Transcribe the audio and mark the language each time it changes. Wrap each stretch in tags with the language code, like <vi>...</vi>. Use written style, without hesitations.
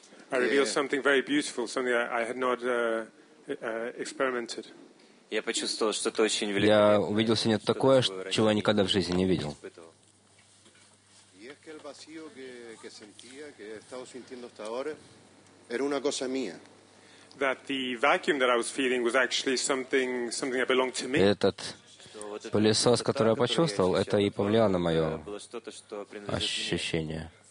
<en>I revealed something very beautiful, something I had not experimented.</en> <ru>Я почувствовал что-то очень великое. Я увидел сегодня такое, чего я никогда в жизни не видел.</ru> <es>Y es que el vacío que sentía, que he estado sintiendo hasta ahora, era una cosa mía.</es> <en>That the vacuum that I was feeling was actually something that belonged to me.</en> <ru>Этот пылесос, который я почувствовал, это и повлияло на мое ощущение.</ru>